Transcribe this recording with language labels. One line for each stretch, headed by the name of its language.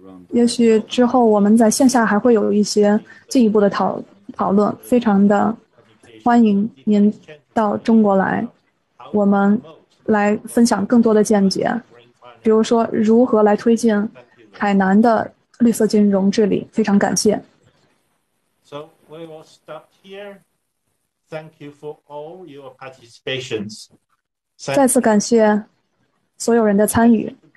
Chinese: 也许之后我们在线下还会有一些进一步的讨论，非常的欢迎您到中国来，我们来分享更多的见解，比如说如何来推进海南的绿色金融治理，非常感谢。
English: So we will stop here. Thank you for all your participations.
Chinese: 再次感谢所有人的参与。